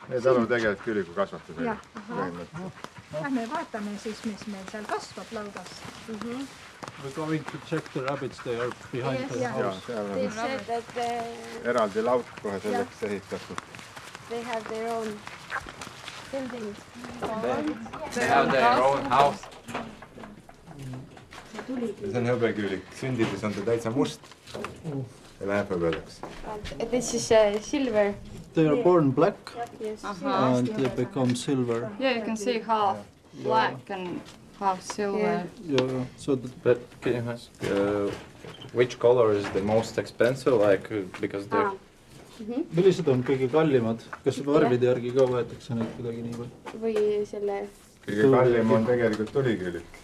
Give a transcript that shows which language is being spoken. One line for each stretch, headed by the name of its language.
Estonian: Need alu tegelikult küüliku kasvatate. Ja. Lähme vaatame siis, mis meil seal kasvab laudas.
English: We're going to check the rabbits they are behind the house. Yeah, they said that
Estonian: eraldi laud kohe selleks ehitatud.
English: They have their own buildings. They have their own house.
Estonian: See on hõbeküülik. Sündides on ta täitsa must. Ja läheb hõbedaks.
English: This is silver. They are born black yes. And they become silver. Yeah, you can see half black and half silver. Yeah, so that... But can you ask, which color is the most expensive, like, because they're...
Estonian: Millised on kõige kallimad? Kas võrvide järgi ka võetakse neid kuidagi nii või? Või selle Kõige kallim on tegelikult tuliküülik.